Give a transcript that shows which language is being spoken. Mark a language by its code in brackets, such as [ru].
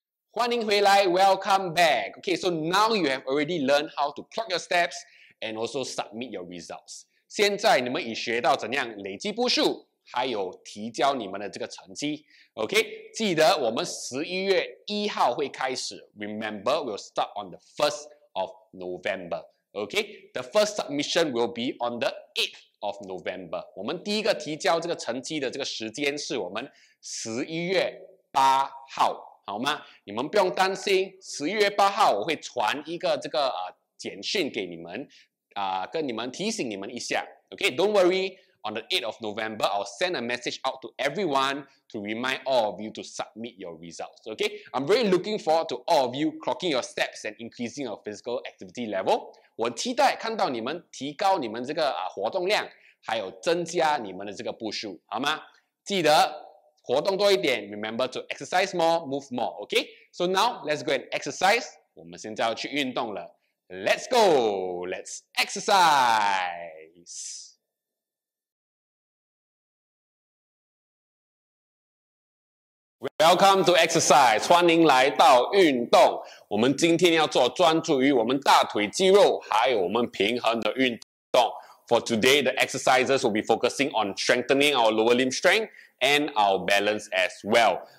[zh] 欢迎回来 [en] ，Welcome back. Okay, so now you have already learned how to clock your steps and also submit your results. [zh] 现在你们已学到怎样累积步数，还有提交你们的这个成绩。 Okay, 记得我们11月1号会开始。 [en] Remember, we'll start on the 1st of November. Okay, the first submission will be on the 8th of November. [zh] 我们第一个提交这个成绩的这个时间是我们11月8号。好吗？你们不用担心，11月8号我会传一个这个简讯给你们，跟你们提醒你们一下。 [en] Okay, don't worry. On the 8th of November, I'll send a message out to everyone to remind all of you to submit your results. Okay, I'm very looking forward to all of you clocking your steps and increasing your physical activity level. [zh] 我期待看到你们提高你们这个活动量，还有增加你们的这个步数，好吗？记得活动多一点, [en] remember to exercise more, move more, okay? So now, let's go and exercise. [zh] 我们现在要去运动了。 [en] Let's go! Let's exercise! Welcome to exercise, [zh] 欢迎来到运动。我们今天要做专注于我们大腿肌肉还有我们平衡的运动。 [en] For today, the exercises will be focusing on strengthening our lower limb strength and our balance as well.